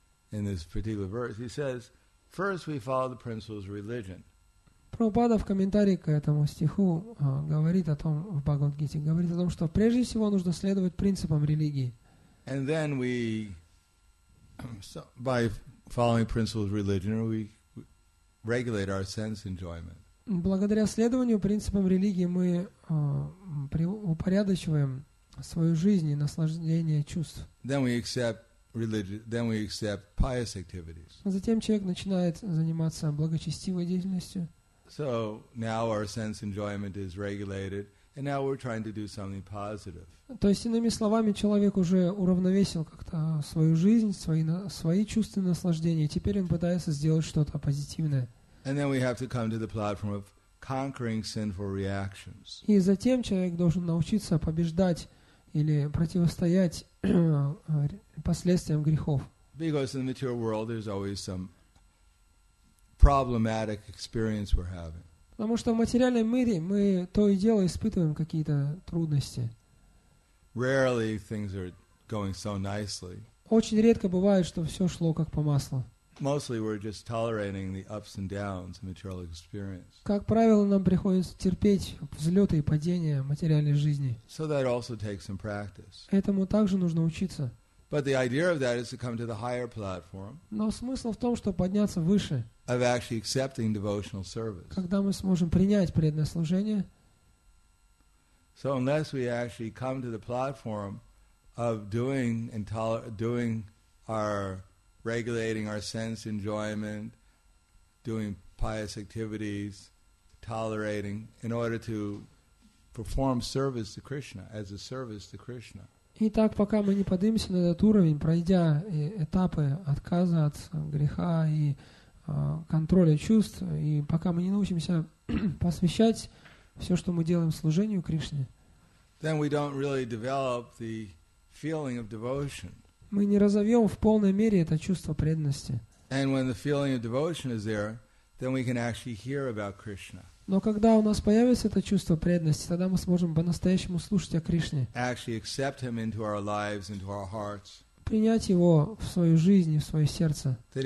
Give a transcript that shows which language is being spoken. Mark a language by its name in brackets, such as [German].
[English] In this particular verse, he says, first we follow the principles of religion. [Russian] Prabhupada в комментарии к этому стиху говорит о том, в Бхагавад-гите, говорит о том, что прежде всего нужно следовать принципам религии. [English] And then we, so by following principles of religion, we regulate our sense enjoyment. [Russian] Благодаря следованию принципам религии мы упорядочиваем свою жизнь и наслаждение чувств. [English] Then we accept religious, then we accept pious activities. [Russian] Затем человек начинает заниматься благочестивой деятельностью. [English] So now our sense enjoyment is regulated, and now we're trying to do something positive. [Russian] То есть иными словами, человек уже уравновесил как-то свою жизнь, свои чувства наслаждения, и теперь он пытается сделать что-то позитивное. [English] And then we have to come to the platform of conquering sinful reactions. [Russian] И затем человек должен научиться побеждать или противостоять последствиям грехов. [English] Because in the material world, there's always some problematic experience we're having. [Russian] Потому что в материальном мире мы то и дело испытываем какие-то трудности. [English] Rarely things are going so nicely. [Russian] Очень редко бывает, что все шло как по маслу. [English] Mostly we're just tolerating the ups and downs of material experience. [Russian] Как правило, нам приходится терпеть взлеты и падения материальной жизни. [English] So that also takes some practice. [Russian] Этому также нужно учиться. [English] But the idea of that is to come to the higher platform. [Russian] Но смысл в том, чтобы подняться выше. [English] Of actually accepting devotional service. [Russian] Когда мы сможем принять преданное служение. [English] So unless we actually come to the platform of doing and doing our regulating our sense enjoyment, doing pious activities, tolerating, in order to perform service to Krishna, as a service to Krishna. [Russian] Итак, пока мы не поднимемся на этот уровень, пройдя этапы отказа от греха и контроля чувств, и пока мы не научимся посвящать все, что мы делаем, служению Кришне, [English] then we don't really develop the feeling of devotion. [Russian] Мы не разовьем в полной мере это чувство преданности. Но когда у нас появится это чувство преданности, тогда мы сможем по-настоящему слушать о Кришне. [English] Lives, hearts, [Russian] принять его в свою жизнь и в свое сердце.